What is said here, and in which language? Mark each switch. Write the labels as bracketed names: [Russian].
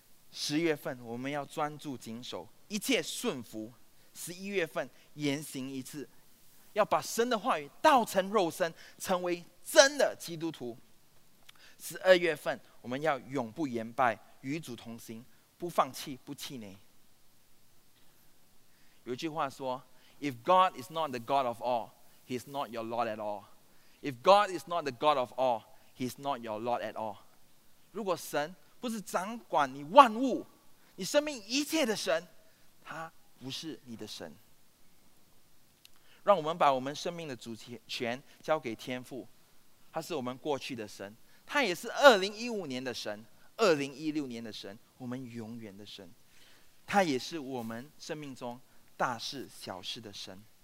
[Chinese] 十月份我们要专注谨守一切顺服，十一月份言行一致，要把神的话语道成肉身，成为真的基督徒。十二月份我们要永不言败，与主同行，不放弃，不气馁。有一句话说， [English] If God is not the God of all, He is not your Lord at all. If God is not the God of all, He is not your Lord at all. [Chinese] 如果神不是掌管你万物，你生命一切的神，他不是你的神。让我们把我们生命的主权交给天父，他是我们过去的神，他也是2015年的神，2016年的神，我们永远的神，他也是我们生命中大事小事的神。